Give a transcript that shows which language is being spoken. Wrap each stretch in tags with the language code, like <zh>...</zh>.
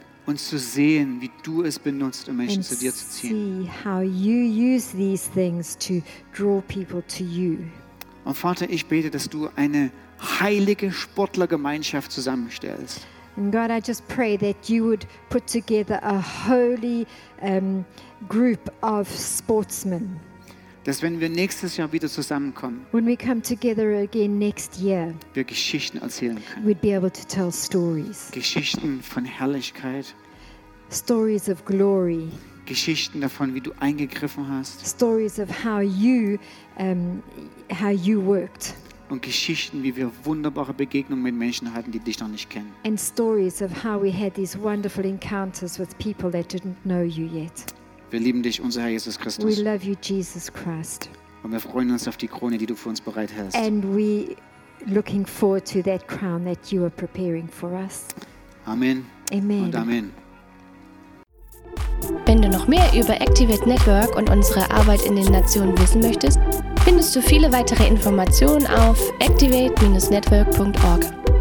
<de>Und zu sehen, wie du es benutzt, um Menschen zu dir zu ziehen.</de> <en>See how you use these things to draw people to you.</en> <de>Und Vater, ich bete, dass du eine heilige Sportlergemeinschaft zusammenstellst.</de> <en>And God, I just pray that you would put together a holy group of sportsmen.</en> <de>Dass wenn wir nächstes Jahr wieder zusammenkommen,</de> <en>when we come together again next year,</en> <de>wir Geschichten erzählen können.</de> <en>We'd be able to tell stories.</en> <de>Geschichten von Herrlichkeit.</de> <en>Stories of glory.</en> <de>Geschichten davon, wie du eingegriffen hast.</de> <en>Stories of how you worked.</en> <de>Und Geschichten, wie wir wunderbare Begegnungen mit Menschen hatten, die dich noch nicht kennen.</de> <en>And stories of how we had these wonderful encounters with people that didn't know you yet.</en> <de>Wir lieben dich, unser Herr Jesus Christus.</de> <en>We love you, Jesus Christ.</en> <de>Und wir freuen uns auf die Krone, die du für uns bereithältst.</de> <en>And we looking forward to that crown that you are preparing for us.</en> <de>Amen.</de> <en>Amen.</en> <de>Und Amen. Wenn du noch mehr über Activate Network und unsere Arbeit in den Nationen wissen möchtest, findest du viele weitere Informationen auf activate-network.org.</de>